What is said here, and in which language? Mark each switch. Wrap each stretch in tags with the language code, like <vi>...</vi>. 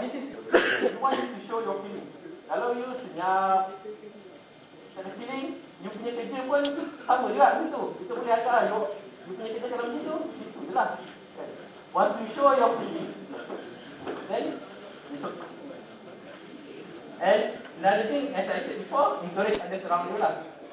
<en>This is we want you to show your feeling.</en> <ms>Kalau you senyap, ada feeling, you punya kerja pun sama juga gitu. Kita boleh agak lah. You punya kerja dalam situ, situ je lah. Okay.</ms> <en>Once you show your feeling, then and another thing, as I said before, encourage others around you lah.</en>